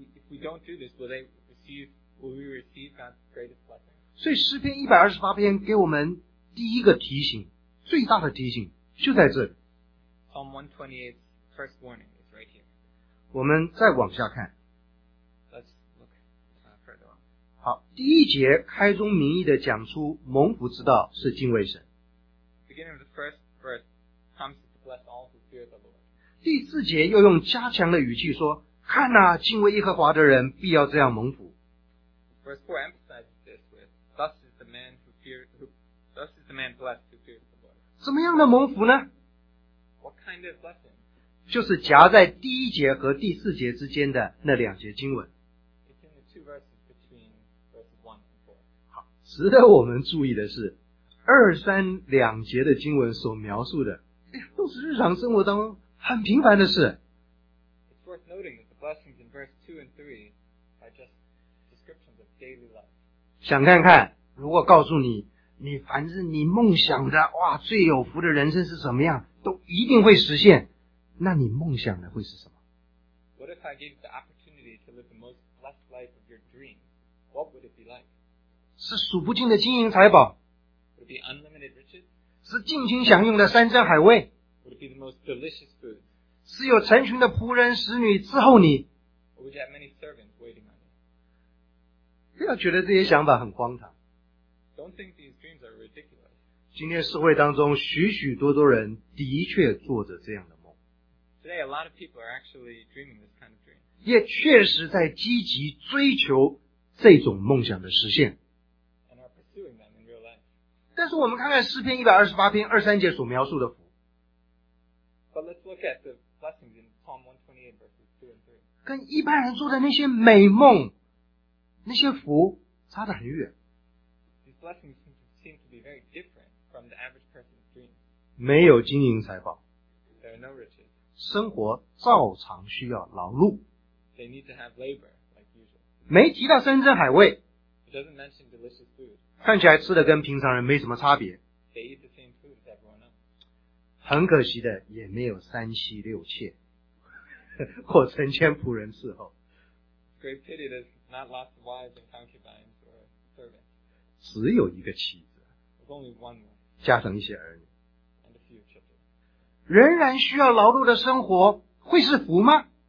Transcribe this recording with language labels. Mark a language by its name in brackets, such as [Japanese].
[English] We don't do this, will we receive God's greatest blessing? [Chinese] 所以诗篇128篇给我们第一个提醒，最大的提醒就在这里。 [English] Psalm 128's first warning is right here. [Chinese] 我们再往下看。 [English] Let's look further on. [Chinese] 好，第一节开宗明义的讲出蒙福之道是敬畏神。 [English] Beginning of the first verse promises to bless all who fear the Lord. [Chinese] 第四节又用加强的语气说，看啊，敬畏耶和华的人必要这样蒙福。 [English] Verse 4 emphasizes this with, thus is the man blessed who fears the Lord. [Chinese] 怎么样的蒙福呢？ [English] What kind of blessing? [Chinese] 就是夹在第一节和第四节之间的那两节经文。 [English] It's in the two verses between verses 1 and 4. [Chinese] 好，值得我们注意的是，二三两节的经文所描述的，都是日常生活当中很平凡的事。 [English] It's worth noting that the blessings in verse 2 and 3 are just descriptions of daily life. [Chinese] 想看看，如果告诉你，你凡是你梦想的，哇，最有福的人生是什么样，都一定会实现，那你梦想的会是什么？ [English] What if I gave the opportunity to live the most blessed life of your dream? What would it be like? [Chinese] 是数不尽的金银财宝。 [English] Would it be unlimited riches? [Chinese] 是尽情享用的山珍海味。 [English] Would it be the most delicious food? [Chinese] 是有成群的仆人使女伺候你。 [English] Or would you have many servants waiting on you? [Chinese] 不要觉得这些想法很荒唐。 [English] Don't think these dreams are ridiculous. [Chinese] 今天社会当中许许多多人的确做着这样的梦。 [English] Today, a lot of people are actually dreaming this kind of dream. [Chinese] 也确实在积极追求这种梦想的实现。 [English] And are pursuing them in real life. [Chinese] 但是我们看看诗篇128篇23节所描述的福。 [English] But let's look at the blessings in Psalm 128 verses 2 and 3. [Chinese] 跟一般人做的那些美梦，那些福差得很远。 [English] Blessings seem to be very different from the average person's dream. [Chinese] 没有金银财宝。 [English] There are no riches. [Chinese] 生活照常需要劳碌。 [English] They need to have labor like usual. [Chinese] 没提到山珍海味。 [English] It doesn't mention delicious food. [Chinese] 看起来吃的跟平常人没什么差别。 [English] They eat the same food as everyone else. [Chinese] 很可惜的，也没有三妻六妾，或成千仆人伺候。 [English] Great pity there's not lots of wives and concubines or servants. [Chinese] 只有一个妻子，加上一些儿女，仍然需要劳碌的生活，会是福吗？